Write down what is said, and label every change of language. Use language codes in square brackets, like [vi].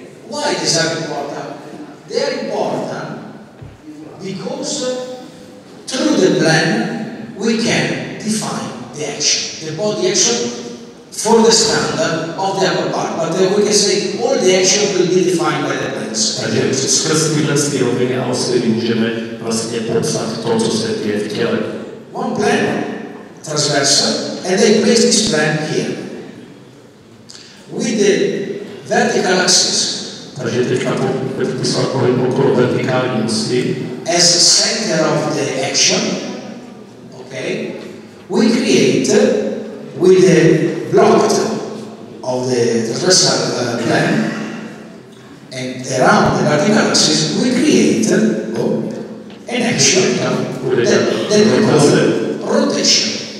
[en] Why these are important? They are important because through the plan we can define the action, the body action, for the standard of the upper part, but we can say all the action will be defined by the plans. [cs] Takže skrz tyhle roviny a osy můžeme vlastně popsat to, co se děje v těle. [en] One plan, transversal, and then place this plan here. With the vertical axis. [cs] Takže teďka popsal pohyb okolo vertikální osy. [en] As the center of the action, okay, we create with the blocked of the transversal plane and around the vertical axis, we create an action that we call rotation.